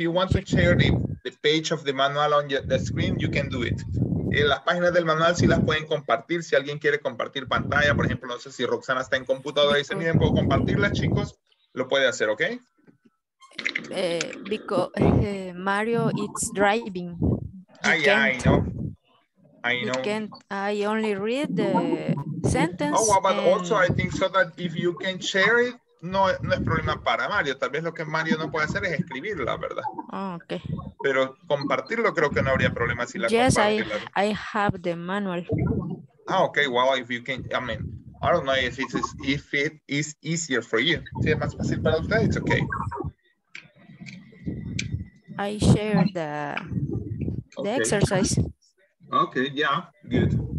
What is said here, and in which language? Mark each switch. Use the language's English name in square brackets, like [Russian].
[English] If you want to share the page of the manual on the screen, you can do it. [Spanish] En las páginas del manual sí las pueden compartir. Si alguien quiere compartir pantalla, por ejemplo, no sé si Roxana está en computadora y dice, miren, puedo compartirla, chicos. Lo puede hacer, ¿ok? [English] Because Mario is driving. I know. I only read the sentence. Oh, well, but also I think so that if you can share it, [Spanish] No es problema para Mario. Tal vez lo que Mario no puede hacer es escribirla, ¿verdad? [English] Oh, okay. [Spanish] Pero compartirlo creo que no habría problema si la compartes. [English] I have the manual. Ah, okay. Well, if you can, I mean, I don't know if it is easier for you. [Spanish] Si es más fácil para usted, [English] it's okay. I share the exercise. Okay, yeah, good.